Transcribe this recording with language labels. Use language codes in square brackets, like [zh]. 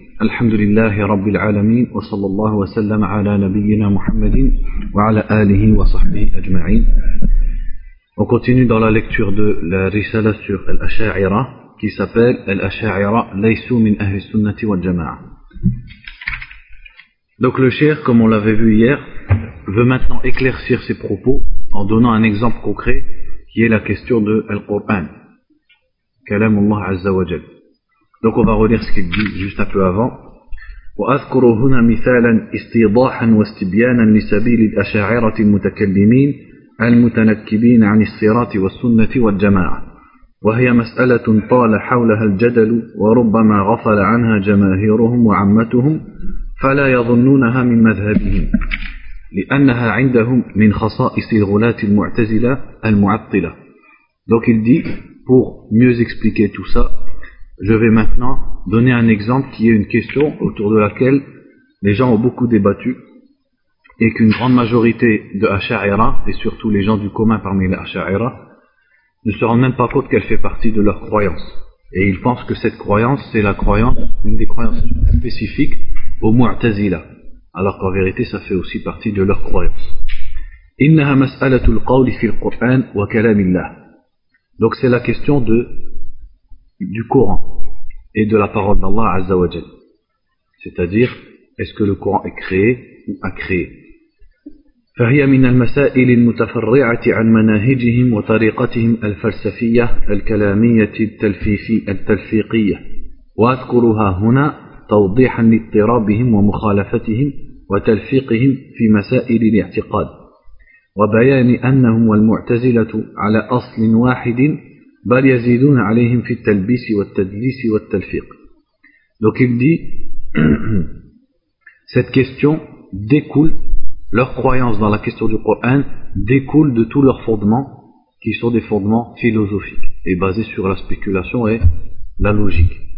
[ar] الحمد لله رب العالمين، وصلى الله وسلم على نبينا محمد وعلى آله وصحبه أجمعين. [fr] On continue dans la lecture de la Risala sur Al-Asha'ira qui s'appelle Al-Asha'ira laysu min ahli sunnati wal jama'a. Donc le cheikh, comme on l'avait vu hier, veut maintenant éclaircir ses propos en donnant un exemple concret qui est la question de Al-Qur'an. Kalam Allah Azza wa Jal. Donc on va relire ce qu'il dit juste un peu avant. [ar] وأذكر هنا مثالا استيضاحا واستبيانا لسبيل الأشاعرة المتكلمين المتنكبين عن الصراط والسنة والجماعة، وهي مسألة طال حولها الجدل وربما غفل عنها جماهيرهم وعمتهم، فلا يظنونها من مذهبهم، لأنها عندهم من خصائص الغلاة المعتزلة المعطلة. [fr] Donc il dit, pour mieux expliquer tout ça, je vais maintenant donner un exemple qui est une question autour de laquelle les gens ont beaucoup débattu et qu'une grande majorité de Asha'ira, et surtout les gens du commun parmi les Asha'ira, ne se rendent même pas compte qu'elle fait partie de leur croyance. Et ils pensent que cette croyance, c'est la croyance, une des croyances spécifiques au Mu'tazila, alors qu'en vérité, ça fait aussi partie de leur croyance. « [ar] Innaha mas'alatul qawli fil Qur'an wa kalamillah [fr] » Donc c'est la question de du Coran et de la parole d'Allah Azza wa Jal. C'est-à-dire, est-ce que le Coran est créé ou incréé ? [ar] فهي من المسائل المتفرعة عن مناهجهم وطريقتهم الفلسفية الكلامية التلفيقية وأذكرها هنا توضيحا لاضطرابهم ومخالفتهم وتلفيقهم في مسائل الاعتقاد وبيان أنهم والمعتزلة على أصل واحد بل يزيدون عليهم في التلبيس والتدليس والتلفيق. [fr] Donc il dit, cette question découle, leur croyance dans la question du Coran découle de tous leurs fondements, qui sont des fondements philosophiques et basés sur la spéculation et la logique.